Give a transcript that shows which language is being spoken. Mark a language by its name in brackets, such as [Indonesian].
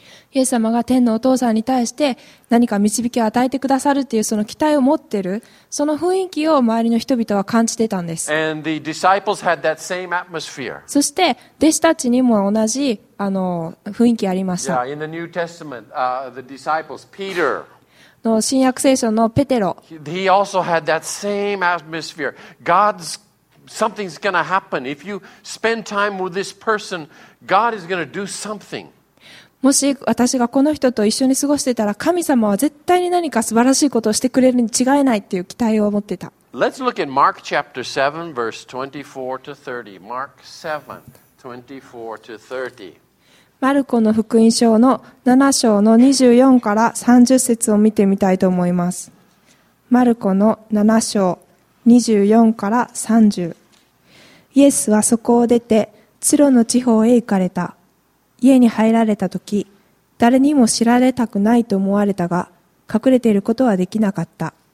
[Japanese] イエス様が天のお父さんに対して何か導きを与えてくださるというその期待を持っているその雰囲気を周りの人々は感じてたんです。 [English] And the disciples had that same atmosphere. [Japanese] そして弟子たちにも同じあの雰囲気ありました。 [English] Yeah, in the New Testament, the disciples, Peter, [Japanese] の新約聖書のペテロ。 [English] He also had that same atmosphere. God'sSomething's going to happen. If you spend time with this person, God is going to do something. [Japanese] もし私がこの人と一緒に過ごしてたら、神様は絶対に何か素晴らしいことをしてくれるに違いないっていう期待を持ってた。 [English] Let's look at Mark chapter 7, verse 24 to 30. Mark 7, 24 to 30. [Japanese] マルコの福音書の7章の24から30節を見てみたいと思います。マルコの7章。24から30イエスはそこを出てツロの地方へ行かれた家に入られた時誰にも知られたくないと思われたが隠れていることはできなかった